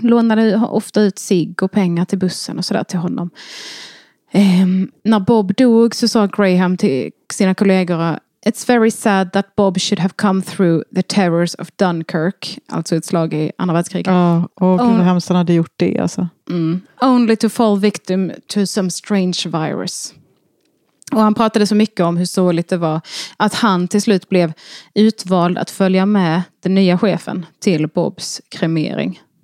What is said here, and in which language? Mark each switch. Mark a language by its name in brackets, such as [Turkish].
[Swedish] Lånade ofta ut cig och pengar till bussen och sådär till honom. När Bob dog så sa Graham till sina kollegor: [English] "It's very sad that Bob should have come through the terrors of Dunkirk." [Swedish] Alltså ett slag i andra världskriget. Ja, och hur hemskt han hade gjort det alltså. [English] "Only to fall victim to some strange virus." [Swedish] Och han pratade så mycket om hur såligt det var att han till slut blev utvald att följa med den nya chefen till Bobs kremering.